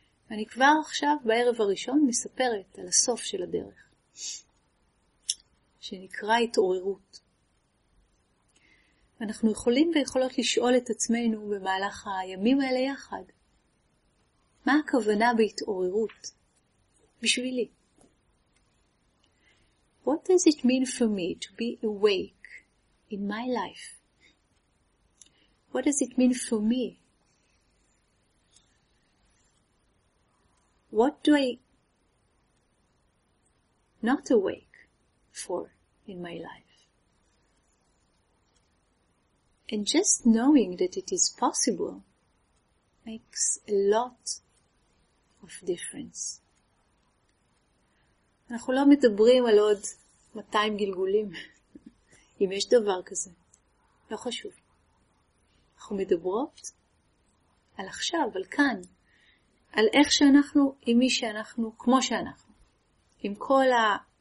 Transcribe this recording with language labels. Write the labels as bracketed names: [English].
[Hebrew] אני כבר עכשיו בערב הראשון מספרת על הסוף של הדרך, שנקרא התעוררות. אנחנו יכולים ויכולות לשאול את עצמנו במהלך הימים האלה יחד, מה הכוונה בהתעוררות בשבילי? [English] What does it mean for me to be awake in my life? What does it mean for me? What do I not awake for in my life? And just knowing that it is possible makes a lot of difference. [Hebrew] אנחנו לא מדברים על עוד 200 גלגולים, אם יש דבר כזה, לא חשוב. אנחנו מדברות על עכשיו, על כאן, על איך שאנחנו, עם מי שאנחנו, כמו שאנחנו. עם כל ה...